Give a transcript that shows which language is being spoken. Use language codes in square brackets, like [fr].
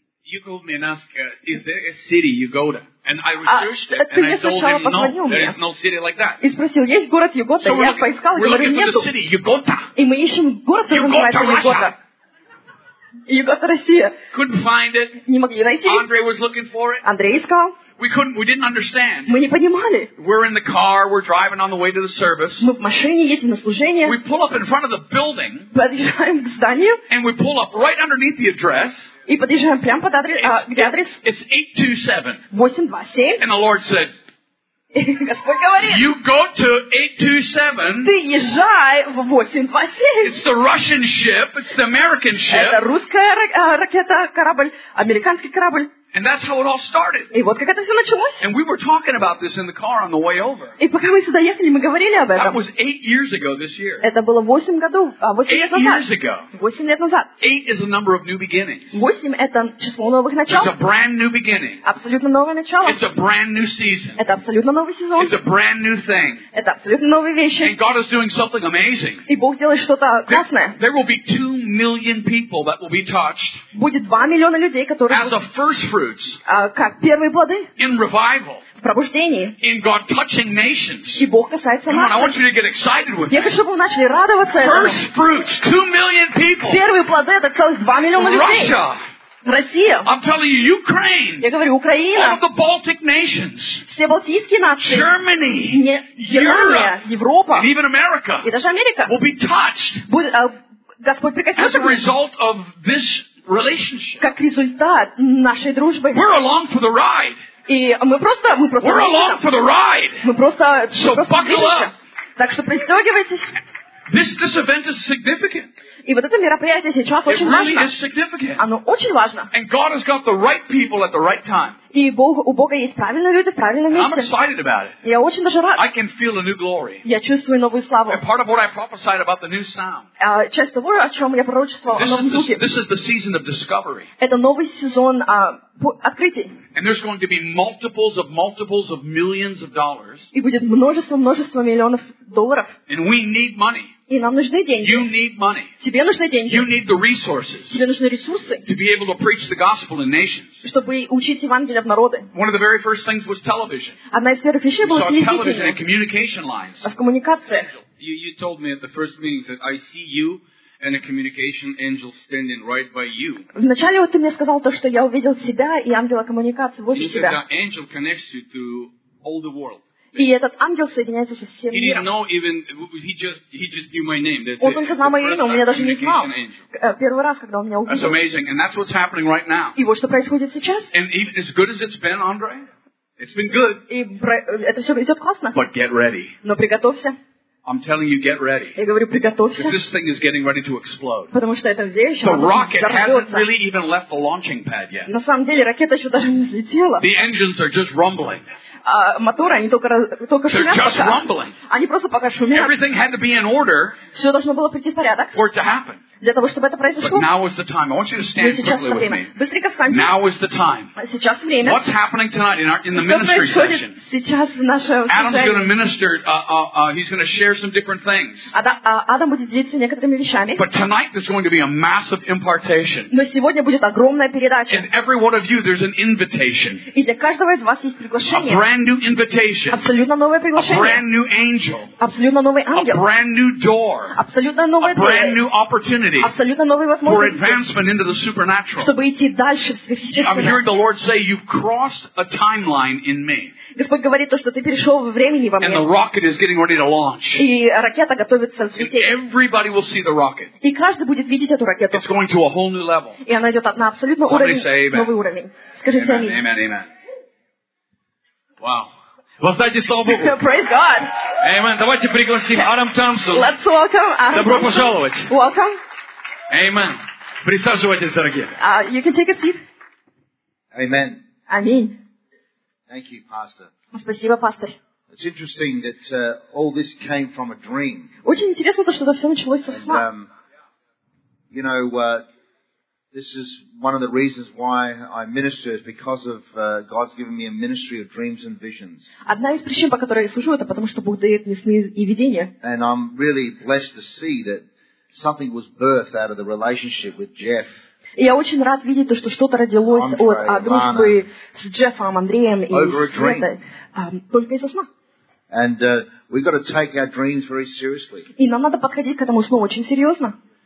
[en] You called me and asked, is there a city you go to? And I researched it, and I told him, no, there is no city like that. [ru] И спросил, есть город Югота? Я поискал, и говорю, нету. Югота. И мы ищем город, который называется Югота. Югота, Россия. [en] Couldn't find it. [ru] Не могли найти. [en] Andre was looking for it. [ru] Андрей искал. [en] We didn't understand. [ru] Мы не понимали. [en] We're in the car, we're driving on the way to the service. [ru] Мы в машине едем на служение. [en] We pull up in front of the building. [ru] Подъезжаем к зданию. [en] And we pull up right underneath the address. [ru] И подъезжаем прямо под адрес, где адрес? [en] It's 827. [ru] 827. [en] And the Lord said, [ru] Господь говорит, [en] you go to 827. [ru] Ты езжай в 827. [en] It's the Russian ship, it's the American ship. [ru] Это русская ракета, корабль, американский корабль. [en] And that's how it all started. [ru] И вот как это все началось. [en] And we were talking about this in the car on the way over. [ru] И пока мы сюда ехали, мы говорили об этом. [en] That was 8 years ago this year. [ru] Это было 8 годов, 8 лет назад. [en] 8 years ago. [ru] 8 лет назад. [en] 8 is the number of new beginnings. [ru] 8 это число новых начал. [en] It's a brand new beginning. [ru] Абсолютно новое начало. [en] It's a brand new season. [ru] Это абсолютно новый сезон. [en] It's a brand new thing. [ru] Это абсолютно новые вещи. [en] And God is doing something amazing. [ru] И Бог делает что-то классное. [en] There will be 2 million people that will be touched. [ru] Будет 2 миллиона людей, которые. [en] As a first fruit. [ru] Как первые плоды. [en] In revival. [ru] В пробуждении. [en] In God touching nations. [ru] И Бог касается нас. [en] Come on, I want you to get excited with that. [ru] Я хочу, чтобы вы начали радоваться этому. [en] First fruits, 2 million people. [ru] Первые плоды, это целых 2 миллиона людей. [en] Russia. [ru] Россия. [en] I'm telling you, Ukraine. [ru] Я говорю, Украина. [en] All of the Baltic nations. [ru] Все балтийские нации. [en] Germany. [ru] Германия. Европа. [en] And even America. [ru] И даже Америка. [en] Will be touched. [ru] Будет, Господь прикоснется. [en] As a result of this relationship. [ru] Как результат нашей дружбы. [en] We're along for the ride. [ru] И мы просто [en] We're along for the ride. [ru] Мы просто [en] buckle [ru] движемся. [en] Up. [ru] Так что пристегивайтесь. [en] This event is significant. [ru] И вот это мероприятие сейчас [en] It [ru] очень [en] really [ru] важно. [en] Is significant. [ru] Оно очень важно. [en] And God has got the right people at the right time. [ru] И у Бога есть правильные люди в правильном месте. [en] I'm excited about it. [ru] Я очень даже рад. [en] I can feel a new glory. [ru] Я чувствую новую славу. [en] And part of what I prophesied about the new sound. [ru] Часть того, о чем я пророчествовал, о новом духе. [en] This is the season of discovery. [ru] Это новый сезон открытий. [en] And there's going to be multiples of millions of dollars. [ru] И будет множество миллионов долларов. [en] And we need money. [ru] И нам нужны деньги. [en] You need money. [ru] Тебе нужны деньги. [en] You need the resources. [ru] Тебе нужны ресурсы. [en] To be able to preach the gospel in nations. [ru] Чтобы учить Евангелие в народы. [en] One of the very first things was television. [ru] Одна из первых вещей была телевидение. [en] You saw television and communication lines. [ru] А в коммуникации. [en] You told me at the first meeting that I see you and a communication angel standing right by you. [ru] Вначале вот ты мне сказал то, что я увидел тебя и ангела коммуникации возле тебя. [en] He said that angel connects you to all the world. [ru] И этот ангел соединяется со всем миром. [en] He didn't know even, he just knew my name. [ru] Он только знал мое имя, он меня даже не знал. Первый раз, когда он меня увидел. [en] That's amazing, and that's what's happening right now. [ru] И вот что происходит сейчас. [en] And even as good as it's been, Andre, it's been good. [ru] И это все идет классно. [en] But get ready. [ru] Но приготовься. [en] I'm telling you, get ready. [ru] Я говорю, приготовься. [en] Because this thing is getting ready to explode. [ru] Потому что эта вещь, [en] the rocket hasn't really even left the launching pad yet. [ru] На самом деле, ракета еще даже не взлетела. [en] The engines are just rumbling. [ru] Моторы, они только шумят. [en] They're just rumbling. [ru] Они просто пока шумят. [en] Everything had to be in order. [ru] Все должно было прийти в порядок. [en] For it to happen. [ru] Для того, чтобы это произошло. [en] But now is the time. I want you to stand quickly with me. [ru] Быстренько встаньте. [en] Now is the time. [ru] Сейчас время. [en] What's happening tonight in the ministry session? [ru] Сейчас в нашем. [en] Adam's going to minister. He's going to share some different things. [ru] Адам будет делиться некоторыми вещами. [en] But tonight there's going to be a massive impartation. [ru] Но сегодня будет огромная передача. [en] And every one of you, there's an invitation. [ru] И для каждого из вас есть приглашение. [en] A brand new invitation. [ru] Абсолютно новое приглашение. [en] A brand new angel. [ru] Абсолютно новый ангел. [en] A brand new door. [ru] Абсолютно новая дверь. [en] A brand new opportunity. [ru] Абсолютно новые возможности. [en] For advancement into the supernatural. [ru] Чтобы идти дальше в сверхъестественное. [en] I'm hearing the Lord say, "You've crossed a timeline in me." [ru] Господь говорит то, что ты перешел во времени во мне. [en] And the rocket is getting ready to launch. [ru] И ракета готовится взлететь. [en] And everybody will see the rocket. [ru] И каждый будет видеть эту ракету. [en] It's going to a whole new level. [ru] И она идет на абсолютно уровень, [en] say amen. [ru] Новый уровень. Скажите аминь. [en] Amen. Amen. Amen. Wow. [ru] Воздайте славу Богу. [en] Praise God. Amen. [ru] Давайте пригласим Адам Томпсон. [en] Let's welcome Adam. [ru] Добро пожаловать. [en] Welcome. Amen. [ru] Присаживайтесь, дорогие. [en] You can take a seat. Amen. [ru] Аминь. [en] Thank you, Pastor. [ru] Спасибо, пастор. [en] It's interesting that all this came from a dream. [ru] Очень интересно то, что это все началось со сна. [en] You know, this is one of the reasons why I minister is because of God's given me a ministry of dreams and visions. [ru] Одна из причин, по которой я служу, это потому что Бог дает мне сны и видения. [en] And I'm really blessed to see that something was birthed out of the relationship with Jeff. [ru] Я очень рад видеть то, что что-то родилось от дружбы с Джеффом, Андреем и Светой. Только из-за сна. [en] And we've got to take our dreams very seriously. [ru] И нам надо подходить к этому сну очень серьезно.